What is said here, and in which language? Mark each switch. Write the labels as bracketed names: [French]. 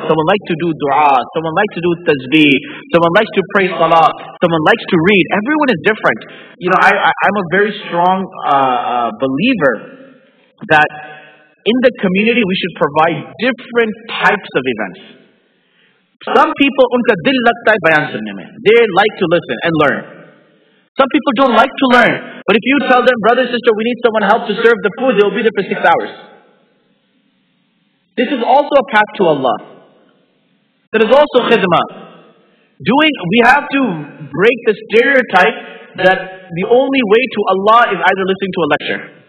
[English] Someone likes to do dua. Someone likes to do tasbih. Someone likes to pray salah. Someone likes to read. Everyone is different. You know, I'm a very strong believer that in the community we should provide different types of events. Some people, [Urdu] انکا دل لگتا ہے بیان سننے میں. [English] They like to listen and learn. Some people don't like to learn. But if you tell them, brother, sister, we need someone help to serve the food, they'll be there for 6 hours. This is also a path to Allah. There is also khidmah. We have to break the stereotype that the only way to Allah is either listening to a lecture.